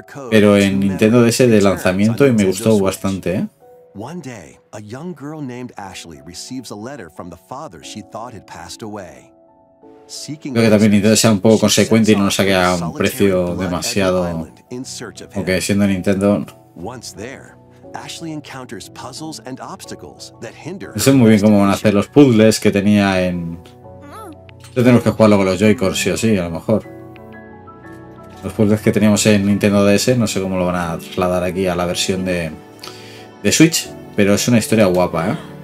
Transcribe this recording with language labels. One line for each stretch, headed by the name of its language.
Spanish: Pero en Nintendo DS de lanzamiento y me gustó bastante, ¿eh?
English: One day, a young girl named Ashley receives a letter from the father she thought had passed away.
Spanish: Creo que también Nintendo sea un poco consecuente y no saque a un precio demasiado. Aunque siendo Nintendo.
English: Once there, Ashley encounters puzzles and obstacles that hinder.
Spanish: No sé muy bien cómo van a hacer los puzzles que tenía en. Yo tengo que jugarlo con los Joy-Cons, sí o sí, a lo mejor. Los puzzles que teníamos en Nintendo DS, no sé cómo lo van a trasladar aquí a la versión de. De Switch, pero es una historia guapa, ¿eh?